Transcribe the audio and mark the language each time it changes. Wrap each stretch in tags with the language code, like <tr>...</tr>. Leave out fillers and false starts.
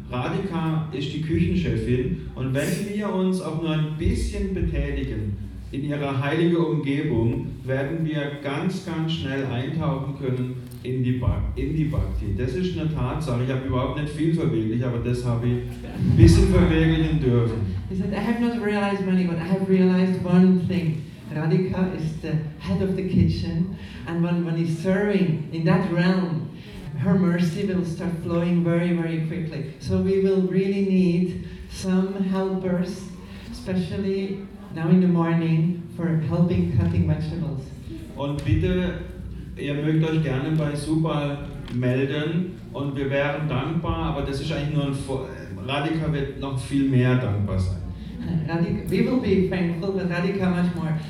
<de>Radhika ist die Küchenchefin und wenn wir uns auch nur ein bisschen betätigen in ihrer heiligen Umgebung, werden wir ganz, ganz schnell eintauchen können in die, Bhakti. Das ist eine Tatsache. Ich habe überhaupt nicht viel verwirklicht, aber das habe ich ein bisschen verwirklichen dürfen.</de> <en>He said, I have not realized many, but I have realized one thing. Radhika is the head of the kitchen and when he's serving in that realm, her mercy will start flowing very, very quickly. So we will really need some helpers, especially now in the morning, for helping cutting vegetables.</en> <de>Und bitte, ihr mögt euch gerne bei Subal melden und wir wären dankbar, aber das ist eigentlich nur ein Radhika wird noch viel mehr dankbar sein.</de> <en>Radhika, we will be thankful, but Radhika much more.</en>